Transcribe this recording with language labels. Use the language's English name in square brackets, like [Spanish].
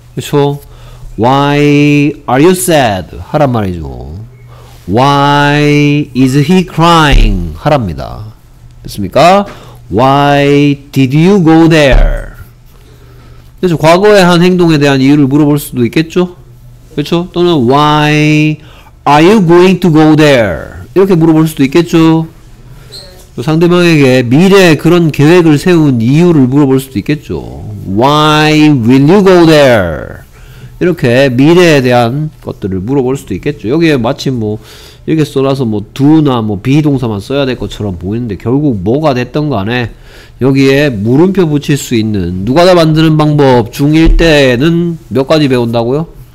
[Korean] 그쵸? [English] Why are you sad? [Korean] 하란 말이죠. [English] Why is he crying? [Korean] 하랍니다. 됐습니까? [English] Why did you go there? [Korean] 그쵸? 과거에 한 행동에 대한 이유를 물어볼 수도 있겠죠? 그쵸? [English] 또는 Why are you going to go there? [Korean] 이렇게 물어볼 수도 있겠죠? 상대방에게 미래에 그런 계획을 세운 이유를 물어볼 수도 있겠죠. [English] Why will you go there? [Korean] 이렇게 미래에 대한 것들을 물어볼 수도 있겠죠. 여기에 마침 뭐 이렇게 써놔서 뭐 do나 뭐 be 동사만 써야 될 것처럼 보이는데 결국 뭐가 됐던 간에 여기에 물음표 붙일 수 있는 누가 다 만드는 방법 중일 때는 몇 가지 배운다고요?